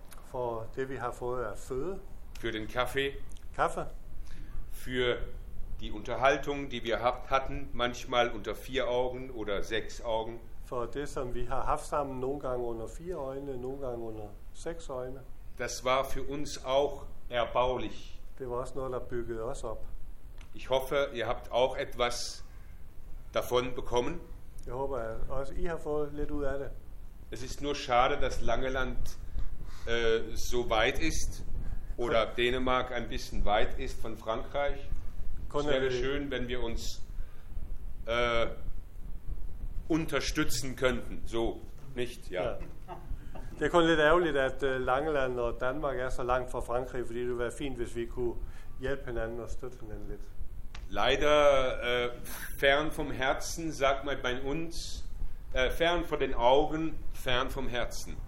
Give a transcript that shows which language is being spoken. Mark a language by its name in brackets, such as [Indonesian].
[Danish] For det vi har fået af føde. [German] Für den Kaffee. Kaffee. Für die Unterhaltung, die wir hatten, manchmal unter 4 Augen oder 6 Augen. [Danish] For det som vi har haft sammen, nogle gange under 4 Øjne, nogle gange under 6 Øjne. [German] Das war für uns auch erbaulich. [Danish] Det var også noget, der byggede os op. [German] Ich hoffe, ihr habt auch etwas davon bekommen. Ich hoffe, auch ihr habt etwas davon bekommen. Es ist nur schade, dass Langeland so weit ist, oder Dänemark ein bisschen weit ist von Frankreich. Es wäre schön, wenn wir uns unterstützen könnten. So, nicht? Ja. [Danish] Det er kun lidt ærgerligt, at Langeland og Danmark er så langt fra Frankrig, fordi det ville være fint, hvis vi kunne hjælpe hinanden og støtte hinanden lidt. [German] Leider fern vom Herzen, sagt man bei uns, fern von den Augen, fern vom Herzen.